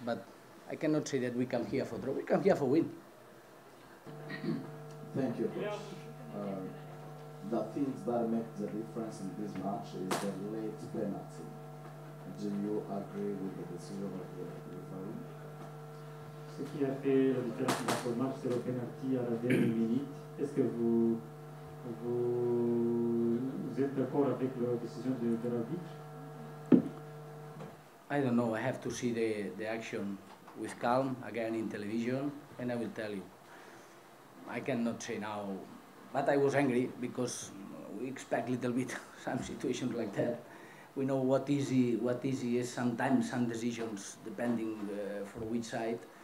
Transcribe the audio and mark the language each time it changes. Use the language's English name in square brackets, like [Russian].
[English] But I cannot say that we come here for draw. We come here for win. Thank you, coach. The things that make the difference in this match is the late penalty. Do you agree with the decision of the referee? [French] Ce qui a fait la différence dans ce match, c'est le penalty à la dernière minute. Est-ce que vous êtes d'accord avec la décision de l'arbitre? [English] I don't know. I have to see the action with calm again in television, and I will tell you. I cannot say now, but I was angry because we expect a little bit some situations like that. We know what easy is sometimes some decisions depending for which side.